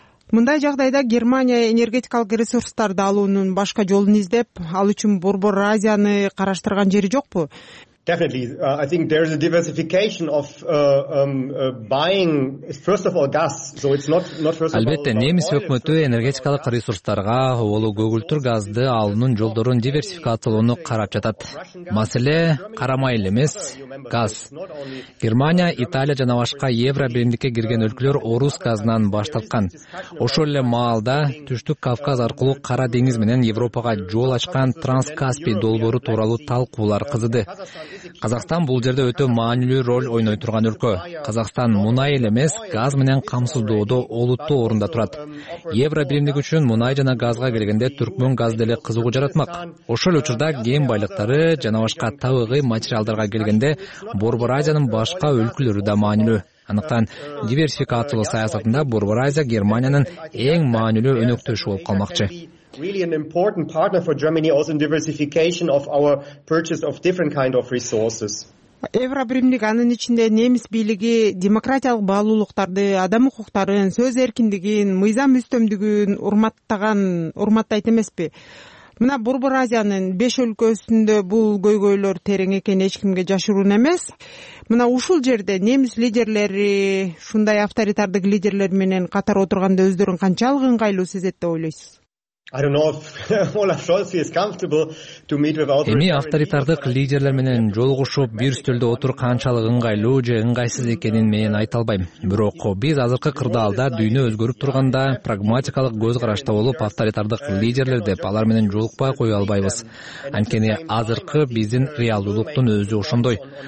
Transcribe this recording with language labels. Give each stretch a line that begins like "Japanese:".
Kyrgyz: Мындай жагдайда Германия энергетикалык ресурстарды алуунун башка жолун издеп, ал үчүн Борбор Азияны караштырган жери жокпу?
English: Definitely. I think there is a diversification of buying first of all gas. So it's not first of all.
Kyrgyz: Албетте, немис өкмөтү энергетикалык ресурстарга оолу көгүлтүр газды алуунун жолдорун диверсификациялоону карап жатат. Маселе карамай эле эмес, газ. Германия, Италия жана башка Евро биримдикке кирген өлкөлөр орус газынан баш тарткан. Ошол эле маалда Түштүк Кавказ аркылуу Кара деңиз менен Европага жол ачкан Транскаспий долбоору тууралуу талкуулар кызыды. Казахстан бул жерде өтө маанилүү роль ойной турган өлкө. Казахстан мунай эле эмес, газ менен камсыздоодо олуттуу орунда турат. Евро биримдик үчүн мунай жана газга келгенде түркмөн газ деле кызыгуу жаратмак. Ошол эле учурда кен байлыктары жана башка табигый материалдарга келгенде Борбор Азиянын башка өлкөлөрү да маанилүү. Андыктан диверсификациялоо саясатында Борбор Азия Германиянын эң маанилүү өнөктөшү болуп калмакчы.
English: Really an important partner for Germany also in diversification of our purchase of different kind of resources.
Kyrgyz: Евро биримдик анын ичинде немис бийлиги демократиялык баалуулуктарды, адам укуктарын, сөз эркиндигин, мыйзам үстөмдүгүн урматтайт эмеспи? Мына Борбор Азиянын 5 өлкөсүндө бул көйгөйлөр терең экен эч кимге жашыруун эмес. Мына ушул жерде немис лидерлери ушундай авторитардык лидерлер менен катар отурганда өздөрүн канчалык ыңгайлуу сезет деп ойлойсуз?
English: I don't know if Olaf Scholz is comfortable to meet with all the
Kyrgyz: Эми авторитардык лидерлер менен жолугушуп, бир үстөлдө отур канчалык ыңгайлуу же ыңгайсыз экенин мен айта албайм. Бирок биз азыркы кырдаалда дүйнө өзгөрүп турганда прагматикалык көз карашта болуп авторитардык лидерлер деп алар менен жолукпай кое албайбыз. Анткени азыркы биздин реалдуулуктун өзү ошондой.